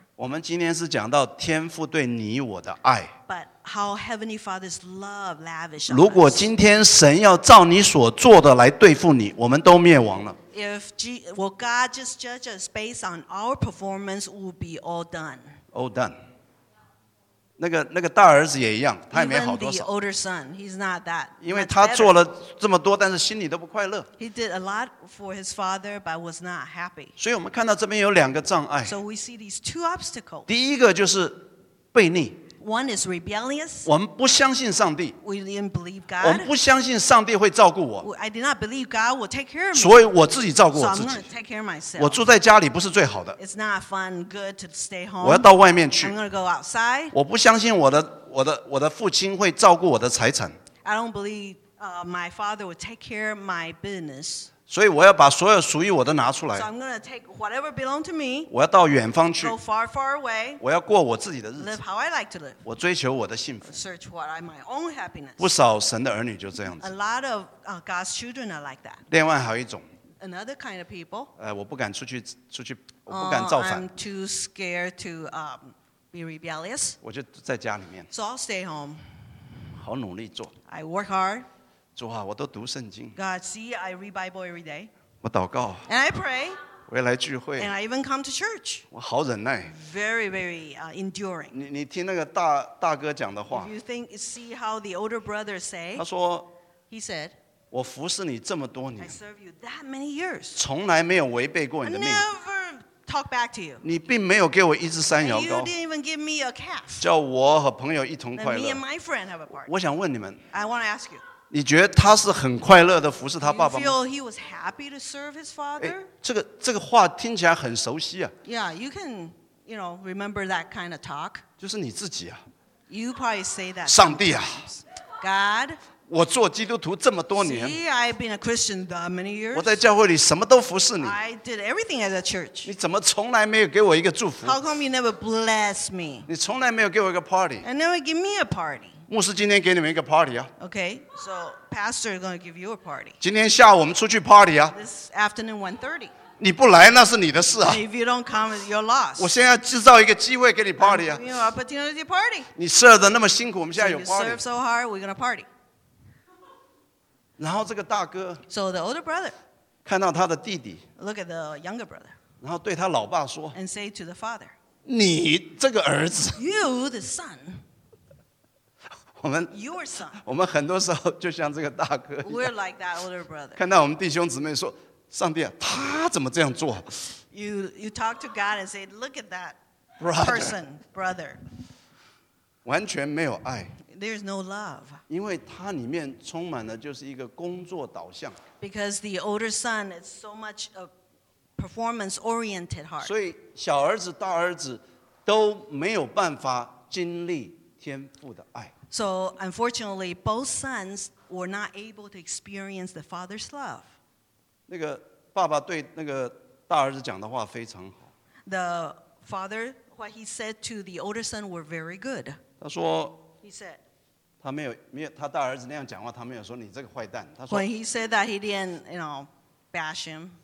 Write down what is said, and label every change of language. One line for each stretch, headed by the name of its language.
Chinese: 我们今天是讲到天父对你我的爱
English: But how Heavenly Father's love lavished on us. 如果今天神要照你所做的来对付你我们都灭亡了 If will God just judge us based on our performance, we'll be all done. All done.
Chinese: 那个大儿子也一样，他也没好多少。
English: Even the older son, he's not that.
Chinese: 因为他做了这么多，但是心里都不快乐。
English: He did a lot for his father, but was not happy.
Chinese: 所以我们看到这边有两个障碍。
English: So we see these two obstacles.
Chinese: 第一个就是悖逆。
English: One is rebellious.
Chinese: 我们不相信上帝。
English: We didn't believe God.
Chinese: 我们不相信上帝会照顾我。
English: I did not believe God will take care of me.
Chinese: 所以我自己照顾我自己。
English: So I'm going to take care of myself.
Chinese: 我住在家里不是最好的。
English: It's not fun, good to stay home.
Chinese: 我要到外面去。
English: I'm going to go outside.
Chinese: 我不相信我的父亲会照顾我的财产。
English: I don't believe my father will take care of my business.
Chinese: 所以我要把所有属于我的拿出来。
English: So I'm going to take whatever belongs to me.
Chinese: 我要到远方去。
English: Go far, far away.
Chinese: 我要过我自己的日子。
English: Live how I like to live.
Chinese: 我追求我的幸福。
English: Search what I my own happiness.
Chinese: 不少神的儿女就这样子。
English: A lot of God's children are like that.
Chinese: 另外还有一种。
English: Another kind of people.
Chinese: 我不敢出去，我不敢造反。
English: I'm too scared to be rebellious.
Chinese: 我就在家里面。
English: So I'll stay home.
Chinese: 好努力做。
English: I work hard.
Chinese: 主啊，我都读圣经。
English: God, see, I read Bible every day.
Chinese: 我祷告。
English: And I pray.
Chinese: 我也来聚会。
English: And I even come to church.
Chinese: 我好忍耐。
English: Very, very enduring.
Chinese: 你听那个大哥讲的话。
English: If、you think, see how the older brother say?
Chinese: 他说。
English: He said.
Chinese: 我服侍你这么多年。
English: I serve you that many years.
Chinese: 从来没有违背过你的命。
English: Never talk back to you.
Chinese: 你并没有给我一只山羊羔。
English: You didn't even give me a calf.
Chinese: 叫我和朋友一同快乐。
English: Me and my friend have a party.
Chinese: 我想问你们。
English: I want to ask you.
Chinese: 你觉得他是很快乐的服侍他爸爸吗
English: ？You feel he was happy to serve his father？
Chinese: 这个话听起来很熟悉啊。
English: Yeah, you can, you know, remember that kind of talk.
Chinese: 就是你自己啊。
English: You probably say that.
Chinese: 上帝啊。
English: God。
Chinese: 我做基督徒这么多年
English: See, I've been a Christian that many years.
Chinese: 我在教会里什么都服侍你
English: I did everything at the church.
Chinese: 你怎么从来没有给我一个祝福
English: How come you never bless me?
Chinese: 你从来没有给我一个 party.
English: And never give me a party.
Chinese: 牧师今天给你们一个 party 啊
English: Okay, so pastor is going to give you a party.
Chinese: 今天下午我们出去 party 啊
English: This afternoon 1:30.
Chinese: 你不来那是你的事啊
English: If you don't come, you're lost.
Chinese: 我现在制造一个机会给你 party 啊
English: You have an opportunity party.
Chinese: 你 serve 的那么辛苦我们现在有 party
English: So you serve so hard, we're going to party.
Chinese: 然后这个大哥
English: So the older brother
Chinese: 看到他的弟弟
English: Look at the younger brother
Chinese: 然后对他老爸说
English: And say to the father
Chinese: 你这个儿子
English: You, the son Your son
Chinese: 我们很多时候就像这个大哥
English: We're like that older brother
Chinese: 看到我们弟兄姊妹说上帝啊，他怎么这样做
English: you talk to God and say, look at that person, brother.
Chinese: 完全没有爱。
English: There's no love.
Chinese: 因为他里面充满了就是一个工作导向。
English: Because the older son is so much a performance-oriented heart.
Chinese: 所以小儿子、大儿子都没有办法经历天父的爱。
English: So unfortunately, both sons were not able to experience the father's love.
Chinese: 那个爸爸对那个大儿子讲的话非常好。
English: The father, what he said to the older son were very good.
Chinese: 他说
English: He said,
Chinese: 他没有他大儿子那样讲话，他没有说你这个坏蛋。他说
English: When he said that, he didn't, you know, bash him.